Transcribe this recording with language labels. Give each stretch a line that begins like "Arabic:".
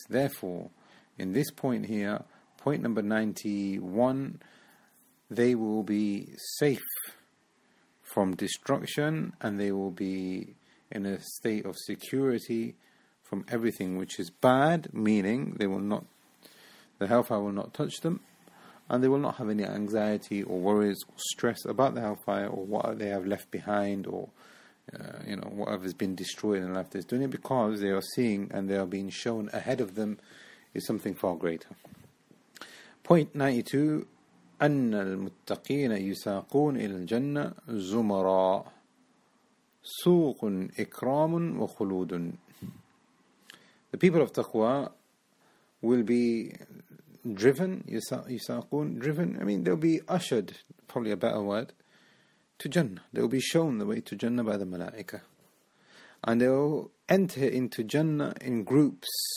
English: Therefore, in this point here, point number 91, they will be safe from destruction and they will be in a state of security from everything which is bad, meaning they will not, the hellfire will not touch them, and they will not have any anxiety or worries or stress about the hellfire or what they have left behind or you know, whatever has been destroyed and left this dunya, because they are seeing and they are being shown ahead of them is something far greater. Point 92,
Arabic: أَنَّ الْمُتَّقِينَ يُسَاقُونَ إِلَى الْجَنَّةِ زُمَرًا سُوقٌ إِكْرَامٌ وَخُلُودٌ.
English: The people of Taqwa will be driven, يساقون, driven, I mean they'll be ushered, probably a better word, to Jannah. They'll be shown the way to Jannah by the Malaika. And they'll enter into Jannah in groups.